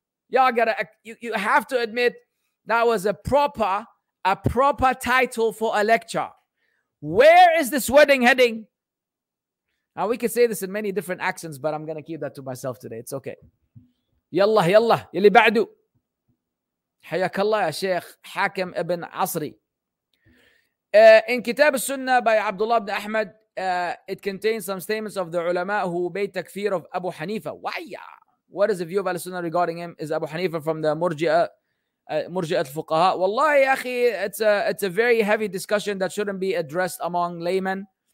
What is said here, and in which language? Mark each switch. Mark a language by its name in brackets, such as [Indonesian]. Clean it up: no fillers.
[English] Y'all gotta, you have to admit, that was a proper title for a lecture. Where is this wedding heading? Now, we could say this in many different accents, but I'm gonna keep that to myself today. It's okay. Yallah, yallah, yalli ba'du. [Arabic] حياك الله يا شيخ حاكم ابن عصري. [English] In Kitab al-Sunnah by Abdullah ibn Ahmad, it contains some statements of the ulama who made takfir of Abu Hanifa. Why? What is the view of al-Sunnah regarding him? Is Abu Hanifa from the Murji'ah al-Fuqaha? Wallahi, akhi, it's a very heavy discussion that shouldn't be addressed among laymen.